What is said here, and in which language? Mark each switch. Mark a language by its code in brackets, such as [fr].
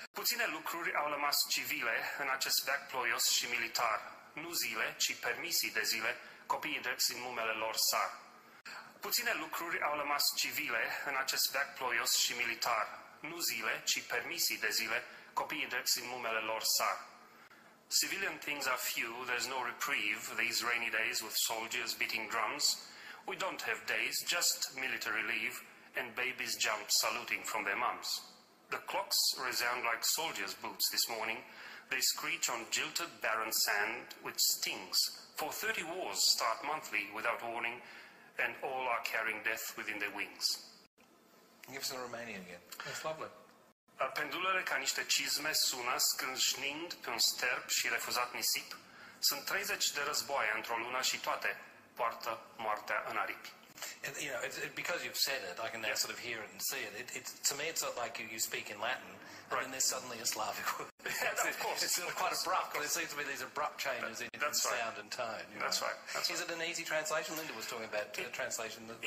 [ro] Puține lucruri au rămas civile în acest veac ploios și militar. Nu zile, ci permisii de zile, copiii drepți în numele lor sar. Puține lucruri au rămas civile în acest veac ploios și militar. Nu zile, ci permisii de zile, copiii drepți în numele lor sar. [en] Civilian things are few, there's no reprieve, these rainy days with soldiers beating drums. We don't have days, just military leave, and babies jump saluting from their mums. The clocks resound like soldiers' boots this morning. They screech on jilted barren sand, which stings. For 30 wars start monthly without warning, and all are carrying death within their wings. Give us the Romanian again. That's lovely. [ro] Pendulele ca niște cizme sună scrâșnind pe un sterp și refuzat nisip. Sunt 30 de războaie într-o lună și toate poartă moartea în aripi. [en] And, you know, because you've said it, I can now sort of hear it and see it. To me, it's not like you speak in Latin, and then there's suddenly a Slavic word. It's quite abrupt, because it seems to be these abrupt changes in sound and tone. That's right. Is it an easy translation? Linda was talking about a translation.